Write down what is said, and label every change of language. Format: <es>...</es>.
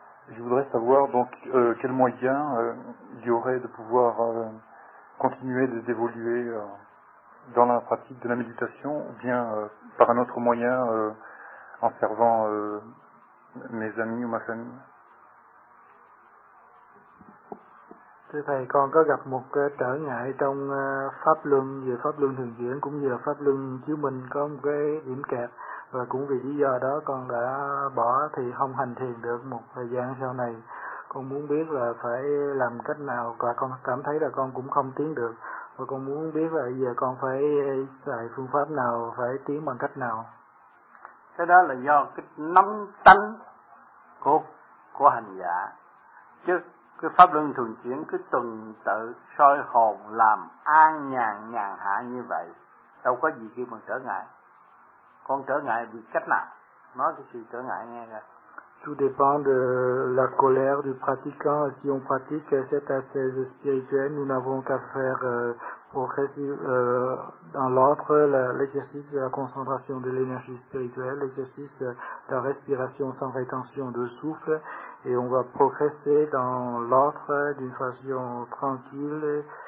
<fr>Je voudrais savoir donc quel moyen il y aurait de pouvoir continuer d'évoluer dans la pratique de la méditation, ou bien par un autre moyen, en servant mes amis ou ma famille.</fr> <vi>Thưa thầy, con có gặp một trở ngại trong pháp luân, vừa pháp luân thường diễn cũng như pháp luân chiếu mình có một cái điểm kẹt, và cũng vì lý do đó con đã bỏ thì không hành thiền được một thời gian sau này. Con muốn biết là phải làm cách nào, và con cảm thấy là con cũng không tiến được. Và con muốn biết là giờ con phải xài phương pháp nào, phải tiến bằng cách nào. Cái đó là do cái nóng tánh của hành giả. Chứ cái pháp luân thường chuyển, cái tuần tự soi hồn làm an nhàn nhàn hạ như vậy, đâu có gì kêu bằng trở ngại. Con trở ngại vì cách nào? Nói cái sự trở ngại nghe coi.</vi> <fr>Tout dépend de la colère du pratiquant. Si on pratique cette ascèse spirituelle, nous n'avons qu'à faire progresser dans l'ordre l'exercice de la concentration de l'énergie spirituelle, l'exercice de la respiration sans rétention de souffle, et on va progresser dans l'ordre d'une façon tranquille.</fr>